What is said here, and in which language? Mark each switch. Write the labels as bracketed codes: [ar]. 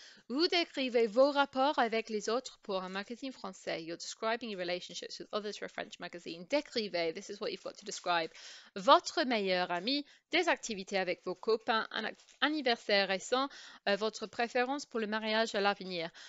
[fr] Vous décrivez vos rapports avec les autres pour un magazine français. [en] You're describing your relationships with others for a French magazine. [fr] Décrivez, [en] this is what you've got to describe. [fr] Votre meilleur ami, des activités avec vos copains, un anniversaire récent, votre préférence pour le mariage à l'avenir.